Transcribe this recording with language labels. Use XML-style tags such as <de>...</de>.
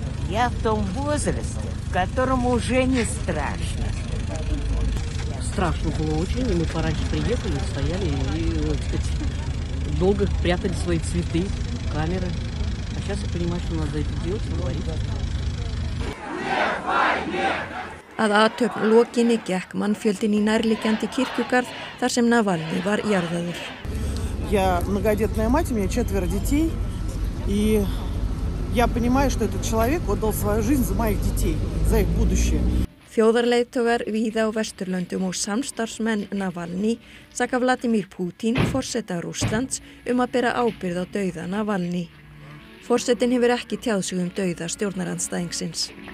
<ru>Я в том возрасте, в котором уже не страшно. Страшно было очень, и мы пораньше приехали, стояли и, так сказать, долго прятали свои цветы, камеры. А сейчас я понимаю, что надо это делать, говорить.</ru> <is>Að athöfn lokinni gekk mannfjöldin í nærliggjandi kirkjugarð þar sem Navalny var jarðaður.</is> <ru>Я многодетная мать, у меня 4 детей, и Я понимаю, что этот человек отдал свою жизнь за моих детей, за их будущее.</ru> <is>Þjóðarleiðtogar víða á Vesturlöndum og samstarfsmenn Navalny saka Vladimir Putin, forseta Rússlands, að bera ábyrgð á dauða Navalny. Forsetin hefur ekki tjáð sig dauða stjórnarandstæðingsins.</is>